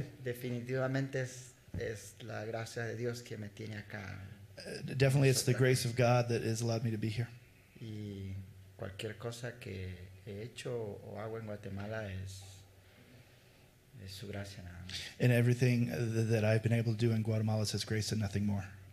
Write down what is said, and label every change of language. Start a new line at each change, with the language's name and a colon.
Spanish: definitivamente es la gracia de Dios que me tiene acá.
English: Definitely, it's the grace of God that has allowed me to be here.
Spanish: Y cualquier cosa que he hecho o hago en Guatemala es su gracia nada más.
English: And everything that I've been able to do in Guatemala is His grace and nothing more.